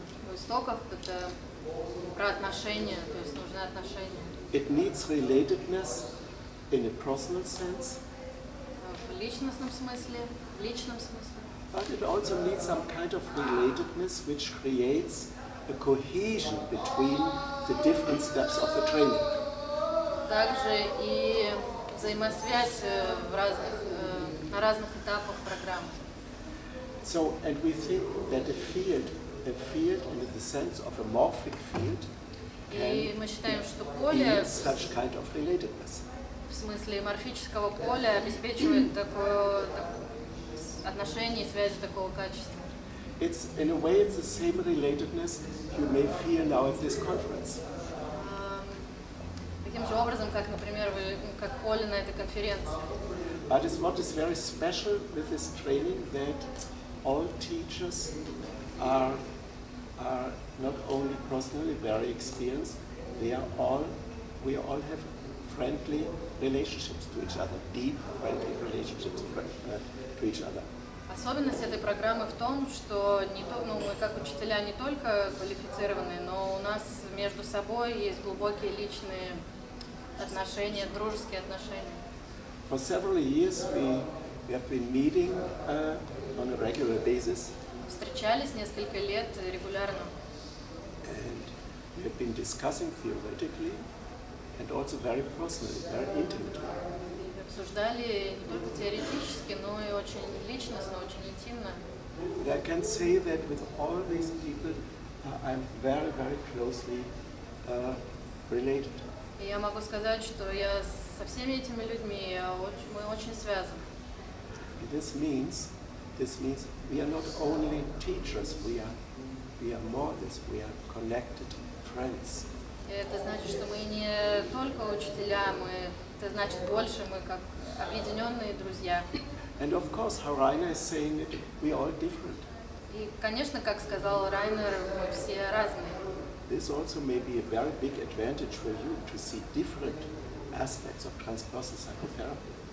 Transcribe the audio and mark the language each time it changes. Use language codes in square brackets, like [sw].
[ru] У истоков это про отношения, то есть нужны отношения. [en] It needs relatedness in a personal sense. [ru] В личностном смысле, в личном смысле. [en] But it also needs some kind of relatedness, which creates a cohesion between the different steps of the training. [ru] Также и взаимосвязь в разных, на разных этапах программы. [en] So, and we think that a field in the sense of a morphic field, can be such kind of relatedness. [ru] В смысле морфического поля обеспечивает такое отношение и связи такого качества. [en] It's in a way it's the same relatedness you may feel now at this conference. [ru] Таким же образом, как, например, вы, как поле на этой конференции. [en] But it's what is very special with this training that all teachers are not only personally very experienced, we all have friendly relationships to each other, deep friendly relationships to each other. [ru] Особенность этой программы в том, что мы как учителя не только квалифицированные, но у нас между собой есть глубокие личные отношения, дружеские отношения. [en] For several years we have been meeting on a regular basis. [ru] Встречались несколько лет регулярно. [en] And we have been discussing theoretically and also very personally, very intimately. [ru] Обсуждали не только теоретически, но и очень личностно, очень интимно. [en] And I can say that with all these people, I'm very, very closely related. [ru] И я могу сказать, что я со всеми этими людьми, мы очень связаны. [en] This means we are not only teachers, we are more than this, we are connected friends. [ru] Это значит, что мы не только учителя, это значит больше, мы как объединенные друзья. [en] And of course, how Rainer is saying it, we are all different. [ru] И, конечно, как сказал Rainer, мы все разные. [en] This also may be a very big advantage for you to see different aspects of transpersonal psychotherapy.